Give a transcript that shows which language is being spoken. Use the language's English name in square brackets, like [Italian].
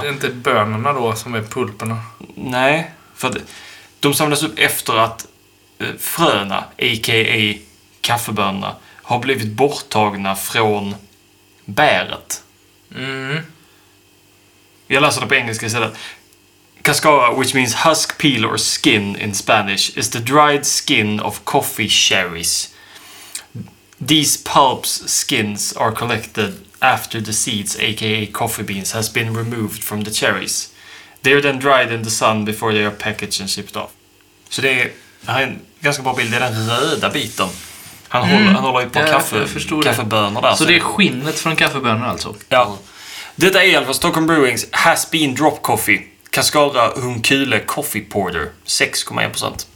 [Swedish] Det är inte bönorna då som är pulporna. Nej, för de samlas upp efter att fröna, a.k.a. kaffebönorna, har blivit borttagna från bäret. Mm. Jag läser det på engelska istället. [English] Cascara, which means husk, peel or skin in Spanish, is the dried skin of coffee cherries. These pulps skins are collected after the seeds, a.k.a. coffee beans, has been removed from the cherries. They are then dried in the sun before they are packaged and shipped off. [Swedish] Så det är... Det här är en ganska bra bild, det är den röda biten. Han, mm, håller ju på kaffebönor där. Så det är skinnet från kaffebönor alltså? Ja. Detta är alltså Stockholm Brewings Has Been Drop Coffee Cascara Hunkule Coffee Porter 6,1%.